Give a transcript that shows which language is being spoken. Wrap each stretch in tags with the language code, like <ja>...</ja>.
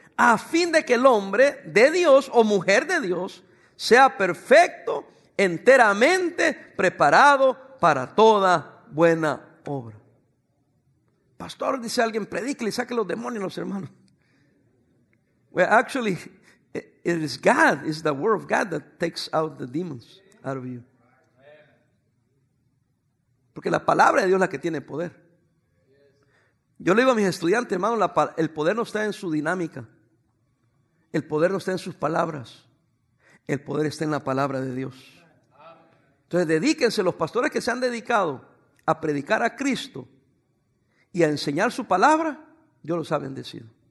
<es>A fin de que el hombre de Dios o mujer de Dios sea perfecto, enteramente preparado para toda buena obra. Pastor, dice alguien, predícale y saque los demonios, los hermanos.</es> <en>Well, actually, it is God, it's the word of God that takes out the demons out of you.</en> <es>Porque la palabra de Dios es la que tiene poder. Yo le digo a mis estudiantes, hermano, el poder no está en su dinámica. El poder no está en sus palabras. El poder está en la palabra de Dios. Entonces dedíquense, los pastores que se han dedicado a predicar a Cristo y a enseñar su palabra, Dios los ha bendecido.</es>